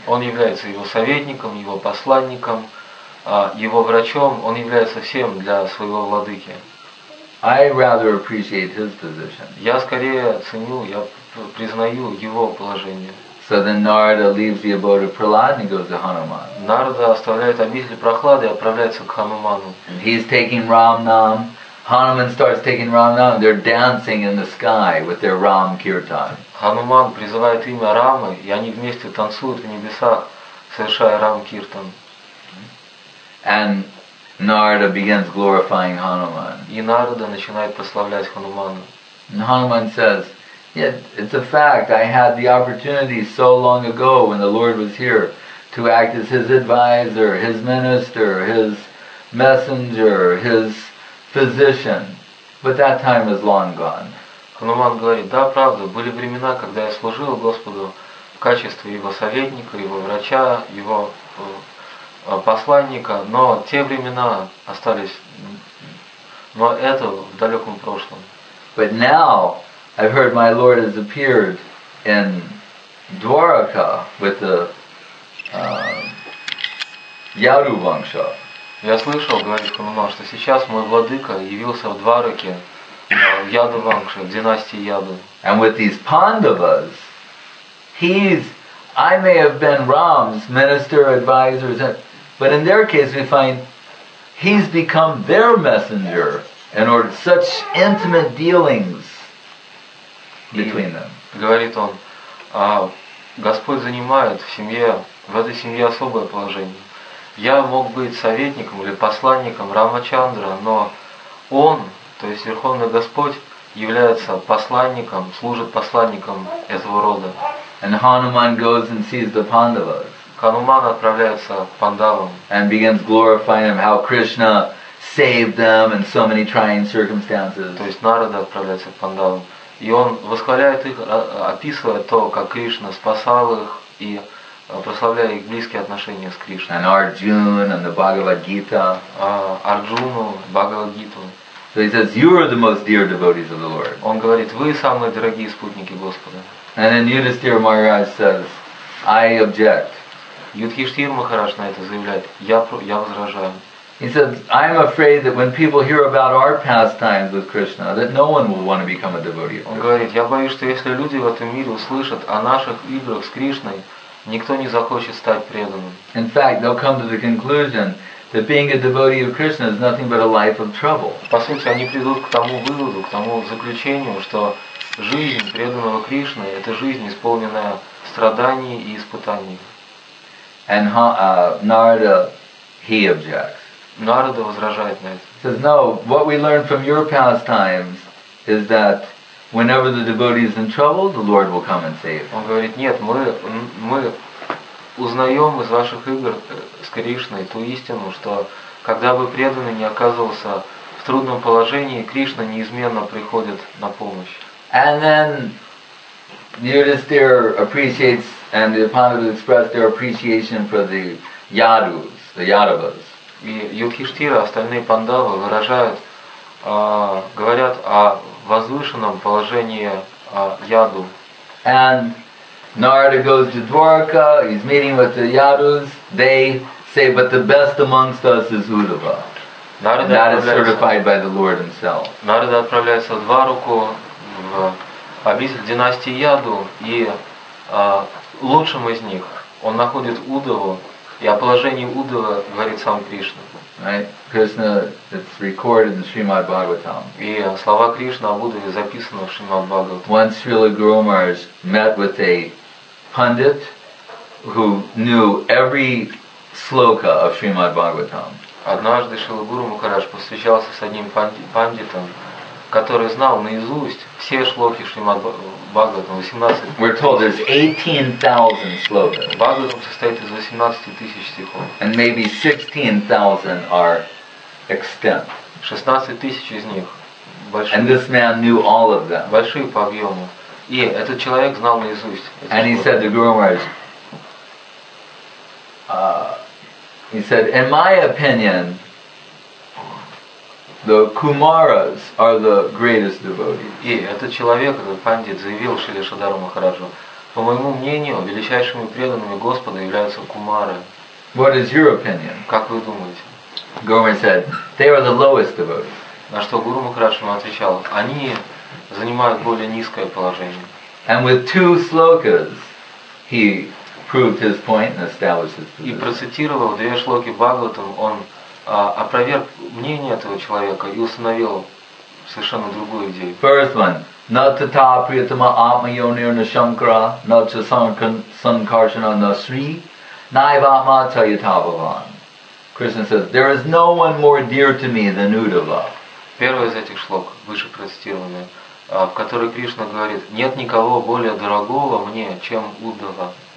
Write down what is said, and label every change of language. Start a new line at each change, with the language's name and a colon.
Russian: Он является его советником, его посланником, его врачом, он является всем для своего владыки.
English: I rather appreciate his position.
Russian: Я скорее ценю, я признаю его положение.
English: So then Narada leaves the abode of Prahlad and goes to Hanuman.
Russian: Нарада оставляет обитель Прохлады и отправляется к Хануману.
English: And he's taking Ram Nam. Hanuman starts taking Ram Nam. They're dancing in the sky with their Ram Kirtan.
Russian: Хануман призывает имя Рамы, и они вместе танцуют в небесах, совершая Рам Киртан.
English: And Narada begins glorifying Hanuman.
Russian: И Нарада начинает прославлять Хануману.
English: And Hanuman says, "Yeah, it's a fact. I had the opportunity so long ago when the Lord was here to act as His advisor, His minister, His messenger, His physician. But that time is long gone."
Russian: Хануман говорит: "Да, правда. Были времена, когда я служил Господу в качестве Его советника, Его врача, Его посланника, но те времена остались, но это в далеком прошлом.
English: But now I've heard my Lord has appeared in Dwaraka with the Yadu Vansha.
Russian: Я слышал, говорит Хануман, что сейчас мой владыка явился в Двараке, в Яду Вангше, в династии Яду.
English: And with these Pandavas, I may have been Ram's minister, advisor, but in their case we find he's become their messenger and ordered such intimate dealings between them.
Russian: Говорит он, Господь занимает в семье, в этой семье особое положение. Я мог быть советником или посланником Рамачандра, но он, то есть Верховный Господь, является посланником, служит посланником этого рода.
English: And Hanuman goes and sees the Pandavas.
Russian: Хануман отправляется к пандавам.
English: And begins glorifying them, how Krishna saved them in so many trying circumstances.
Russian: То есть Нарада отправляется к пандавам, и он восхваляет их, описывая то, как Кришна спасал их и прославляя их близкие отношения с Кришной.
English: And Arjuna and the Bhagavad Gita.
Russian: Арджуну, Бхагавад Гиту.
English: So he says, "You are the most dear devotees of the Lord."
Russian: Он говорит, вы самые дорогие спутники Господа.
English: And then Yudhishthira Maharaj says, "I object."
Russian: Yudhishthira Maharaj на это заявляет, я возражаю.
English: He says, "I'm afraid that when people hear about our pastimes with Krishna, that no one will want to become a devotee of Krishna."
Russian: Он говорит, я боюсь, что если люди в этом мире услышат о наших играх с Кришной, никто не захочет стать преданным.
English: In fact, they'll come to the conclusion that being a devotee of Krishna is nothing but a life of trouble.
Russian: По сути, они придут к тому выводу, к тому заключению, что жизнь преданного Кришны – это жизнь, исполненная страданий и испытаний.
English: And Narada, he objects.
Russian: Нарада возражает на это.
English: Says, "No, what we learn from your pastimes is that whenever the devotee is in trouble, the Lord will come and save."
Russian: Он говорит, нет, мы узнаем из ваших игр с Кришной ту истину, что когда бы преданный не оказывался в трудном положении, Кришна неизменно приходит на помощь.
English: And then Yudhishthira appreciates, and the Pandavas express their appreciation for the Yadus, the Yadavas.
Russian: И Юдхиштхира, остальные пандавы выражают, говорят о возвышенном положении Яду.
English: And Narada goes to Dwaraka. He's meeting with the Yadus. They say, "But the best amongst us is Uddhava." Narada that is certified by the Lord Himself.
Russian: Narada отправляется в Двараку. Обитель династии Яду, и лучшим из них он находит Удаву, и о положении Удавы говорит сам Кришна.
English: Right? Krishna, it's recorded in Srimad Bhagavatam.
Russian: И слова Кришны об Удаве записаны в Шримад Бхагаватам.
English: Once Srila Guru Maharaj met with a pundit who knew every sloka of Srimad Bhagavatam.
Russian: Однажды Шрила Гуру Махарадж посвящался с одним пандитом, который знал наизусть все шлоки Шримад Бхагаватам, 18.
English: We're told there's 18,000 slokas.
Russian: Бхагаватам состоит из 18,000 стихов.
English: And maybe 16,000 are extant.
Russian: 16,000 из них большие.
English: And this man knew all of them.
Russian: Большие по объему. И этот человек знал наизусть.
English: And he said to Guru Maharaj, he said, "In my opinion, the Kumaras are the greatest devotees."
Russian: И этот человек, этот пандит, заявил Шриле Шадару Махараджу, по моему мнению, величайшими преданными Господа являются кумары.
English: What is your opinion?
Russian: Как вы думаете?
English: Guru said, "They are the lowest devotees."
Russian: На что Гуру Махарадж ему отвечал, они занимают более низкое положение.
English: And with two slokas, he proved his point and established his position.
Russian: И процитировав две шлоки Бхагаватам, он опроверг мнение этого человека и установил совершенно другую идею.
English: First one.
Sanskrit: Натата приятама атма йонир на шамкара, нача санкаршана на сри, наива атма та ятабаван.
English: Krishna says, "There is no one more dear to me than Uddhava."
Russian: Первый из этих шлок, выше процитированный, в который Кришна говорит, нет никого более дорогого мне, чем Уддхава.